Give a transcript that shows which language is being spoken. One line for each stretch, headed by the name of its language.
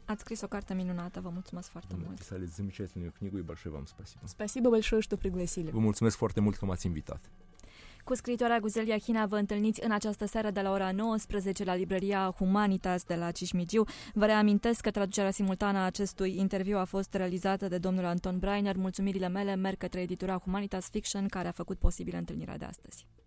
Romanian: Ați scris o carte minunată, vă mulțumesc foarte mult.
Russian: Să aleți замечательную книгу и большое вам спасибо. Спасибо большое, что пригласили.
Romanian: Vă mulțumesc foarte mult că m-ați invitat. Cu scriitoarea Guzel Iahina vă întâlniți în această seară de la ora 19 la librăria Humanitas de la Cismigiu. Vă reamintesc că traducerea simultană a acestui interviu a fost realizată de domnul Anton Brainer. Mulțumirile mele merg către editura Humanitas Fiction, care a făcut posibilă întâlnirea de astăzi.